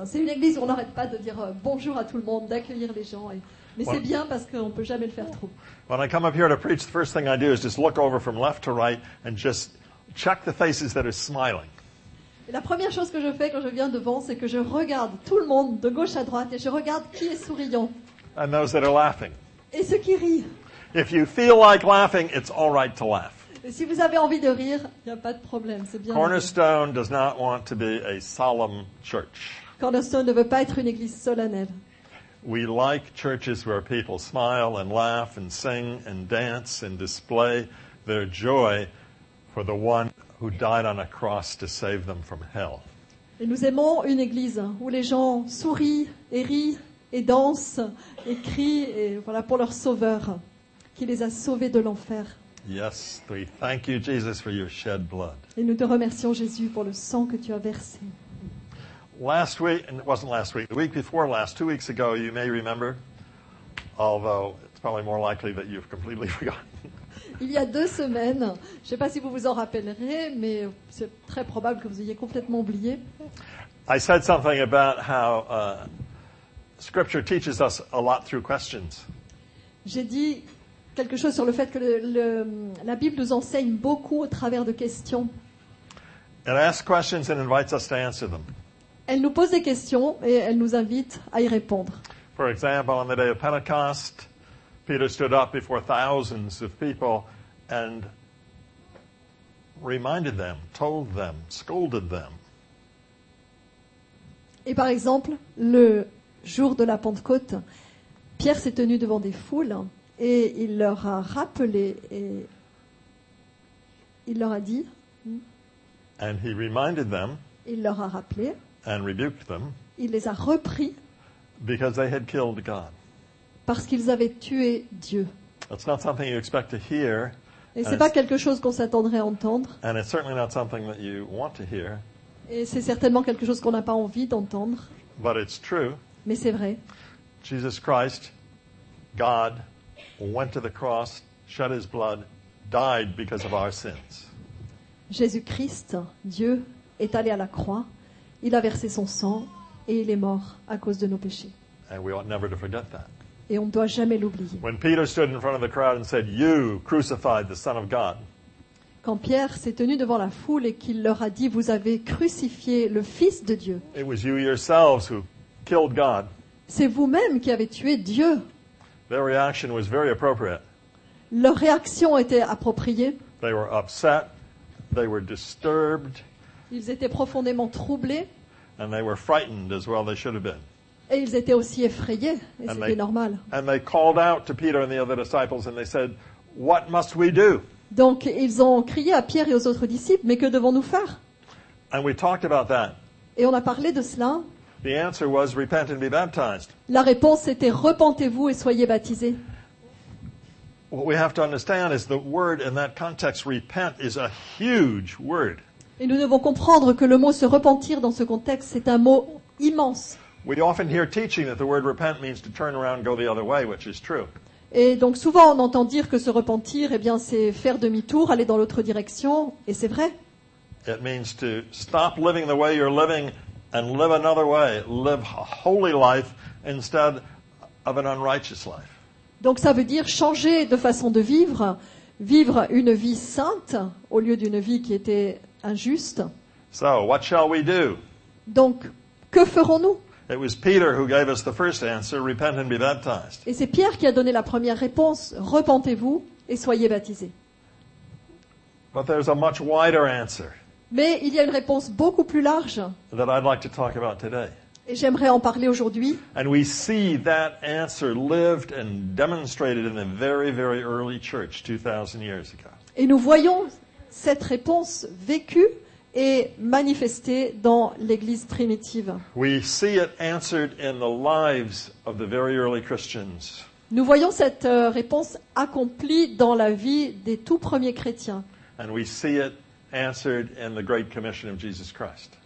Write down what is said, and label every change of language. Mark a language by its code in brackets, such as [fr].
[fr] C'est une église où on n'arrête pas de dire bonjour à tout le monde, d'accueillir les gens. Et... Mais when, c'est bien parce qu'on peut jamais le faire trop. [en] When I come up here to preach, the first thing I do is just look over from left to right and just check the faces that are smiling. [fr] La première chose que je fais quand je viens devant, c'est que je regarde tout le monde de gauche à droite et je regarde qui est souriant. [en] And those that are laughing. [fr] Et ceux qui rient. [en] If you feel like laughing, it's all right to laugh. [fr] Et si vous avez envie de rire, il n'y a pas de problème, c'est bien. [en] Cornerstone does not want to be a solemn church. [fr] Cornerstone ne veut pas être une église solennelle. [en] We like churches where people smile and laugh and sing and dance and display their joy for the one who died on a cross to save them from hell. [fr] Et nous aimons une église où les gens sourient et rient et dansent et crient et voilà pour leur sauveur qui les a sauvés de l'enfer. [en] Yes, we thank you Jesus for your shed blood. [fr] Et nous te remercions Jésus pour le sang que tu as versé. [en] Last week, and it wasn't last week, the week before last, 2 weeks ago, you may remember, although it's probably more likely that you've completely forgotten. [fr] Il y a deux semaines, je ne sais pas si vous vous en rappellerez, mais c'est très probable que vous ayez complètement oublié. [en] I said something about how Scripture teaches us a lot through questions. [fr] J'ai dit quelque chose sur le fait que la Bible nous enseigne beaucoup au travers de questions. [en] It asks questions and invites us to answer them. [fr] Elle nous pose des questions et elle nous invite à y répondre. [en] For example, on the day of Pentecost, Peter stood up before thousands of people and reminded them, told them, scolded them. [fr] Et par exemple, le jour de la Pentecôte, Pierre s'est tenu devant des foules et il leur a rappelé et il leur a dit. [en] And he reminded them. [fr] Il leur a rappelé. [en] And rebuked them. [fr] Il les a repris. [en] Because they had killed God. [fr] Parce qu'ils avaient tué Dieu. [en] That's not something you expect to hear. [fr] Et c'est pas quelque chose qu'on s'attendrait à entendre. [en] And it's certainly not something that you want to hear. [fr] Et c'est certainement quelque chose qu'on n'a pas envie d'entendre. [en] But it's true. [fr] Mais c'est vrai. [en] Jesus Christ, God, went to the cross, shed his blood, died because of our sins. [fr] Jésus-Christ, Dieu, est allé à la croix. Il a versé son sang et il est mort à cause de nos péchés. [en] And we ought never to forget that. [fr] Et on ne doit jamais l'oublier. [en] When Peter stood in front of the crowd and said, "You crucified the Son of God." [fr] Quand Pierre s'est tenu devant la foule et qu'il leur a dit, "Vous avez crucifié le Fils de Dieu." [en] It was you yourselves who killed God. [fr] C'est vous-même qui avez tué Dieu. [en] Their reaction was very appropriate. [fr] Leur réaction était appropriée. [en] They were upset. They were disturbed. [fr] Ils étaient profondément troublés. [en] And they were frightened as well they should have been. [fr] Et ils étaient aussi effrayés, et [en] and [fr] c'était [en] they, [fr] normal. [en] And they called out to Peter and the other disciples and they said, "What must we do?" [fr] Donc ils ont crié à Pierre et aux autres disciples, "Mais que devons-nous faire?" [en] And we talked about that. [fr] Et on a parlé de cela. [en] The answer was, "Repent and be baptized." [fr] La réponse était, "Repentez-vous et soyez baptisés." [en] What we have to understand is the word in that context, repent, is a huge word. [fr] Et nous devons comprendre que le mot se repentir dans ce contexte, c'est un mot immense. [en] We often hear teaching that the word repent means to turn around and go the other way, which is true. [fr] Et donc souvent on entend dire que se repentir, eh bien c'est faire demi-tour, aller dans l'autre direction, et c'est vrai. [en] It means to stop living the way you're living and live another way, live a holy life instead of an unrighteous life. [fr] Donc ça veut dire changer de façon de vivre, vivre une vie sainte au lieu d'une vie qui était injuste. [en] So, what shall we do? [fr] Donc, que ferons-nous? [en] It was Peter who gave us the first answer, repent and be baptized. [fr] Et c'est Pierre qui a donné la première réponse, repentez-vous et soyez baptisés. [en] But there's a much wider answer. [fr] Mais il y a une réponse beaucoup plus large. [en] That I'd like to talk about today. [fr] Et j'aimerais en parler aujourd'hui. [en] And we see that answer lived and demonstrated in the very, very early church 2000 years ago. [fr] Et nous voyons cette réponse vécue et manifestée dans l'Église primitive. [en] We see it answered in the lives of the very early Christians. [fr] Nous voyons cette réponse accomplie dans la vie des tout premiers chrétiens. [en] And we see it answered in the Great Commission of Jesus Christ.